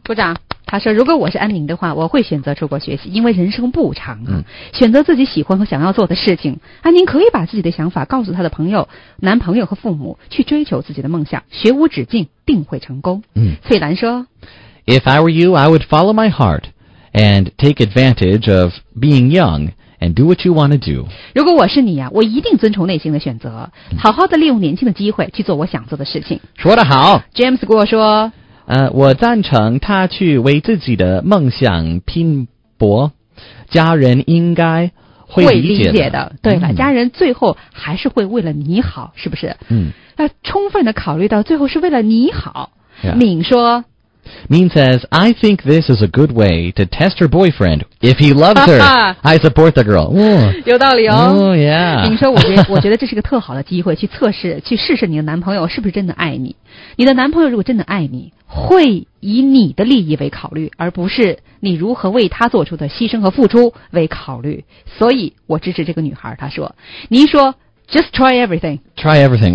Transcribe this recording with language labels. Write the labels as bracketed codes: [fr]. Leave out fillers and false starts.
[zh] 部长他说如果我是安宁的话我会选择出国学习因为人生不长啊，选择自己喜欢和想要做的事情安宁可以把自己的想法告诉他的朋友男朋友和父母去追求自己的梦想学无止境定会成功费兰说 [en] If I were you I would follow my heart and take advantage of being young and do what you want to do [zh] 如果我是你啊，我一定遵从内心的选择好好的利用年轻的机会去做我想做的事情说得好 James 跟我说我赞成他去为自己的梦想拼搏，家人应该会理解的。对了，家人最后还是会为了你好，是不是？充分的考虑到最后是为了你好。 [en] Yeah. [zh] 敏说 [en] ，Min says, I think this is a good way to test her boyfriend. If he loves her, I support the girl. [zh] 有道理哦。 [en] Yeah. [zh] 敏说，我觉得这是个特好的机会，去测试，去试试你的男朋友是不是真的爱你。你的男朋友如果真的爱你。会以你的利益为考虑而不是你如何为他做出的牺牲和付出为考虑所以我支持这个女孩她说您说 [en] just try everything